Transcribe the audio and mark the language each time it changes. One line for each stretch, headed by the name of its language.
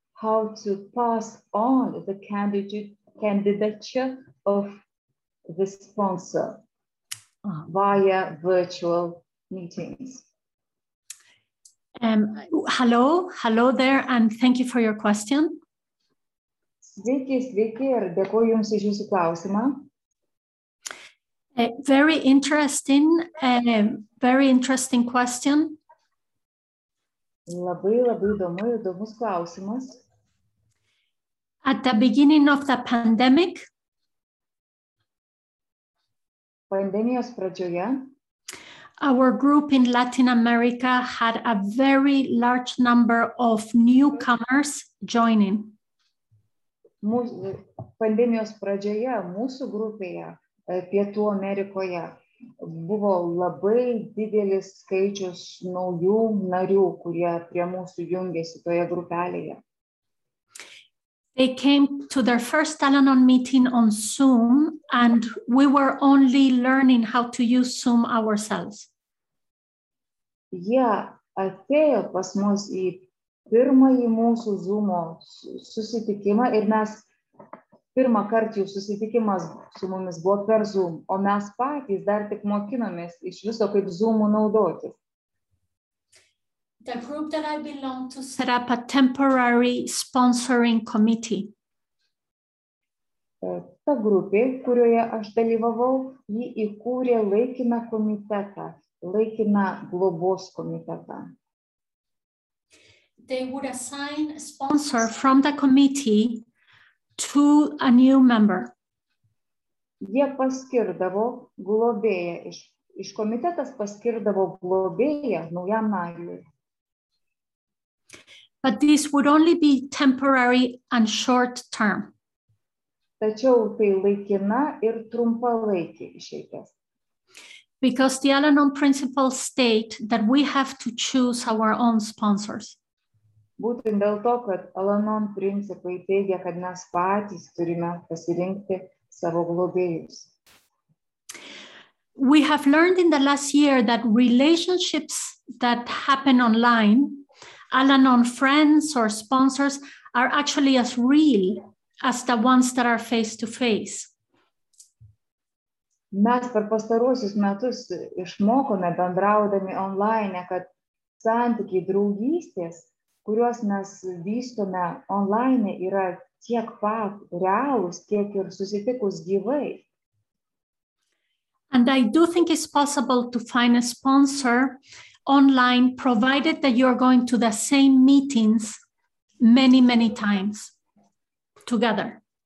English: how to pass on the candidature of the sponsor via virtual meetings. Hello there, and thank you for your question.
Lithuanian: Sveiki, sveiki, ir dėkuoju jums už jūsų klausimą.
English: Very interesting question.
Lithuanian: Labai, labai įdomu, įdomus klausimas.
English: At the beginning of the pandemic,
Lithuanian: pandemijos pradžioje,
English: our group in Latin America had a very large number of newcomers joining.
Lithuanian: Pandemijos pradžioje mūsų grupėje Pietų Amerikoje buvo labai didelis skaičius naujų narių, kurie prie mūsų jungėsi toje grupelėje.
English: They came to their first Al-Anon meeting on Zoom, and we were only learning how to use Zoom ourselves.
Lithuanian: Jie atėjo pas mus į pirmąjį mūsų Zoom'o susitikimą ir mes pirmą kartą jų susitikimas su mumis buvo per Zoom, o mes patys dar tik mokinomės iš viso kaip Zoom'u naudotis.
English: The group that I belong to set up a temporary sponsoring committee.
Lithuanian: Ta grupė, kurioje aš dalyvavau, ji įkūrė laikiną komitetą. Laikina globos komitetą.
English: They would assign a sponsor from the committee to a new member.
Lithuanian: Jie paskirdavo globėją, iš komitetas paskirdavo globėją naujam nariui.
English: But this would only be temporary and short term.
Lithuanian: Tačiau tai laikina ir trumpalaikė išeitis.
English: Because the Al-Anon principles state that we have to choose our own sponsors.
Lithuanian: Būtent dėl to, kad Al-Anon principai teigia, kad mes patys turime pasirinkti savo globėjus.
English: We have learned in the last year that relationships that happen online, Al-Anon friends or sponsors, are actually as real as the ones that are face to face.
Lithuanian: Mes per pastaruosius metus išmokome bendraudami online, kad santykiai draugystės, kuriuos mes vystome online, yra tiek pat realūs, tiek ir susitikus gyvai.
English: And I do think it's possible to find a sponsor online, provided that you're going to the same meetings many, many times together.